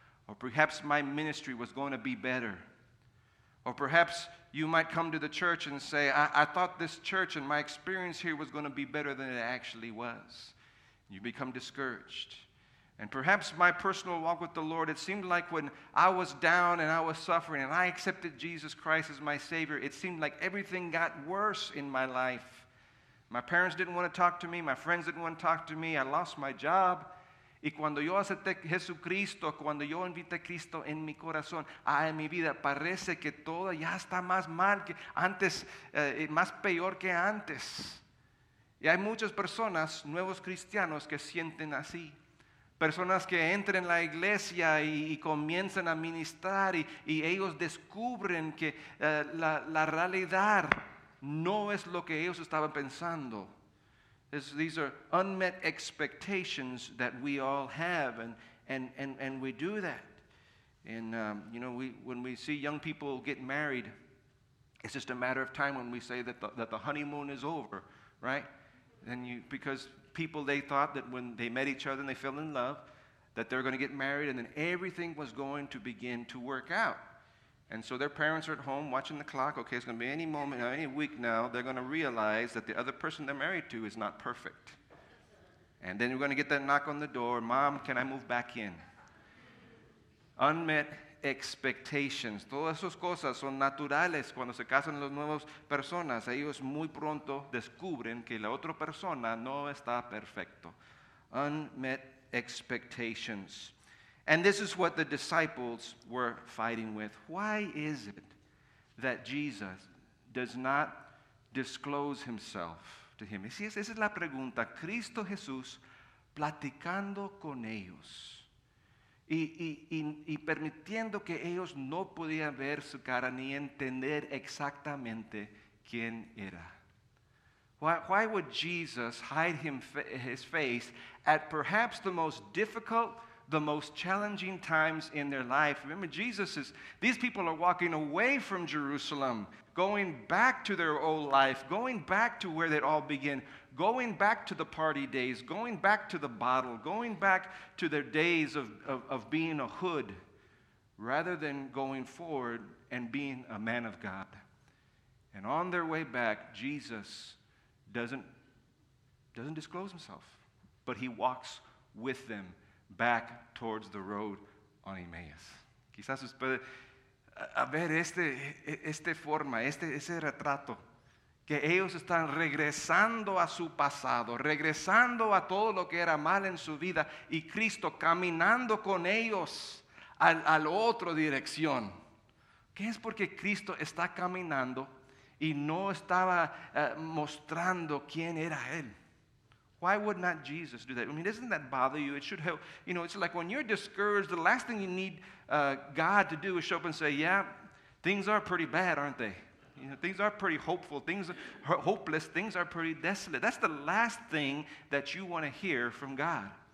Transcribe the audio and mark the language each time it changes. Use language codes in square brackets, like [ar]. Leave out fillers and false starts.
[en] Or perhaps my ministry was going to be better. Or perhaps you might come to the church and say, I thought this church and my experience here was going to be better than it actually was. You become discouraged. And perhaps my personal walk with the Lord, it seemed like when I was down and I was suffering and I accepted Jesus Christ as my Savior, it seemed like everything got worse in my life. My parents didn't want to talk to me. My friends didn't want to talk to me. I lost my job. [es] Y cuando yo acepté Jesucristo, cuando yo invité a Cristo en mi corazón, en mi vida, parece que todo ya está más mal que antes, más peor que antes. Y hay muchas personas, nuevos cristianos, que sienten así. Personas que entran en la iglesia y comienzan a ministrar y ellos descubren que la realidad no es lo que ellos estaban pensando. [en] These are unmet expectations that we all have, and we do that. And when we see young people get married, it's just a matter of time when we say that the honeymoon is over, right? Then because people, they thought that when they met each other and they fell in love, that they were going to get married, and then everything was going to begin to work out. And so their parents are at home watching the clock. Okay, it's going to be any moment, any week now, they're going to realize that the other person they're married to is not perfect. And then you're going to get that knock on the door. Mom, can I move back in? Unmet expectations. [es] Todas esas cosas son naturales cuando se casan las nuevas personas. Ellos muy pronto descubren que la otra persona no está perfecto. [en] Unmet expectations. And this is what the disciples were fighting with. Why is it that Jesus does not disclose himself to him? [es] Esa es la pregunta. Cristo Jesús platicando con ellos y permitiendo que ellos no podían ver su cara ni entender exactamente quién era. [en] Why would Jesus hide his face at perhaps the most difficult, the most challenging times in their life? Remember, these people are walking away from Jerusalem, going back to their old life, going back to where they all began, going back to the party days, going back to the bottle, going back to their days of being a hood, rather than going forward and being a man of God. And on their way back, Jesus doesn't disclose himself, but he walks with them back towards the road on Emmaus. [es] Quizás usted a ver este forma, ese retrato, que ellos están regresando a su pasado, regresando a todo lo que era mal en su vida, y Cristo caminando con ellos a la otra dirección. ¿Qué es porque Cristo está caminando y no estaba mostrando quién era él? [en] Why would not Jesus do that? I mean, doesn't that bother you? It should help. You know, it's like when you're discouraged, the last thing you need God to do is show up and say, yeah, things are pretty bad, aren't they? You know, things are pretty hopeful. Things are hopeless. Things are pretty desolate. That's the last thing that you want to hear from God.